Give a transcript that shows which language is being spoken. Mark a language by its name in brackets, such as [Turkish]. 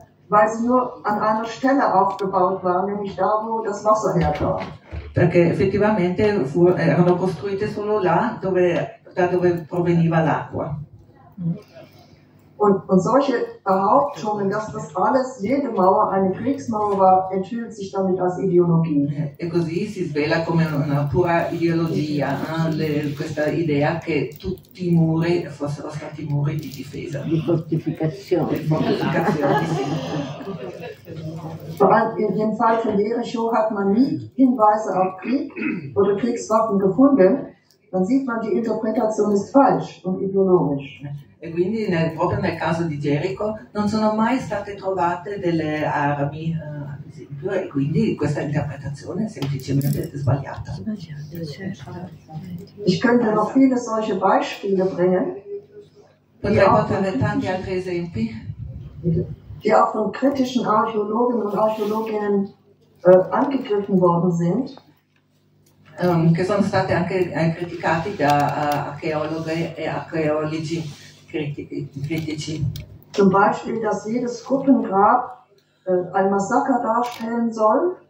[German] Weil sie nur an einer Stelle aufgebaut waren, nämlich da, wo das Wasser herkam. [Italian] Perché effettivamente erano costruite solo là, da dove proveniva l'acqua. [German] Und solche Behauptungen, dass das alles, jede Mauer eine Kriegsmauer war, enthüllt sich damit als Ideologie. [Italian] E così si svela come una pura ideologia, questa idea che tutti i muri fossero stati muri di difesa. Di fortificazione. [German] In dem Fall von Jericho hat man nie Hinweise auf Krieg oder Kriegswaffen gefunden, dann sieht man, die Interpretation ist falsch und ideologisch. [Italian] E quindi nel, proprio nel caso di Gerico non sono mai state trovate delle armi, ad esempio, e quindi questa interpretazione è semplicemente sbagliata. [German] Ich könnte noch viele solche Beispiele bringen. [Italian] Potrei portare tanti altri esempi. [German] Die auch von kritischen Archäologen und Archäologinnen angegriffen worden sind. [Italian] Che sono state anche criticati da archeologi e archeologi critici. [German] Zum Beispiel, dass jedes Gruppengrab ein Massaker darstellen soll.